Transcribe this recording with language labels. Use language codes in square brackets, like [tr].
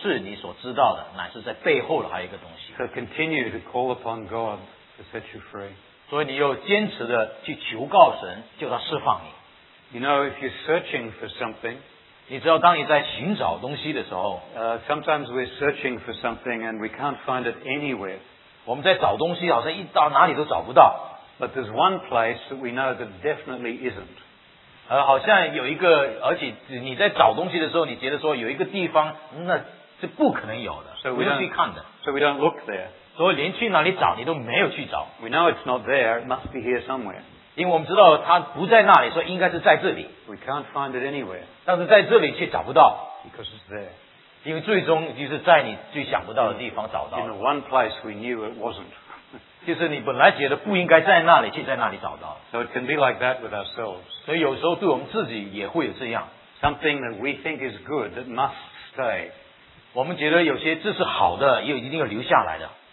[zh] 就是说你可能知道你捉住的是什么但可能不是你所知道的乃是在背后的还有一个东西. [en] So continue to call upon God to set you free. [zh] 所以你又坚持的去求告神叫他释放你. [en] You know, if you're searching for something, [zh] 你知道当你在寻找东西的时候, [en] sometimes we're searching for something and we can't find it anywhere. [zh] 我们在找东西好像一到哪里都找不到. [en] But there's one place that we know that definitely isn't. [zh] 好像有一个，而且你在找东西的时候，你觉得说有一个地方，那是不可能有的。 [en] So we don't look there. [zh] 所以连去哪里找，你都没有去找。 [en] We know it's not there. It must be here somewhere. [zh] 因为我们知道它不在那里，所以应该是在这里。 [en] We can't find it anywhere. [zh] 但是在这里却找不到。 [en] Because it's there. [zh] 因为最终就是在你最想不到的地方找到。 [en] In the one place we knew it wasn't. [zh] 就是你本来觉得不应该在那里，却在那里找到。 [en] So it can be like that with ourselves. [zh] 所以有时候对我们自己也会有这样。 [en] Something that we think is good that must stay. [zh] 我们觉得有些这是好的，又一定要留下来的。